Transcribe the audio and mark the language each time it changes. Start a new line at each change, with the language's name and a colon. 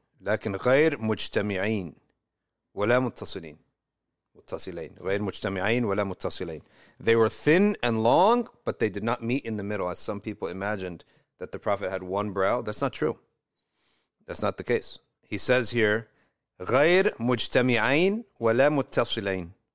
Arabic: لكن غير مجتمعين ولا متصلين. متصلين. غير مجتمعين ولا متصلين.
English: They were thin and long, but they did not meet in the middle, as some people imagined that the Prophet had one brow. That's not true. That's not the case. He says here,
Arabic: غير مجتمعين ولا متصلين.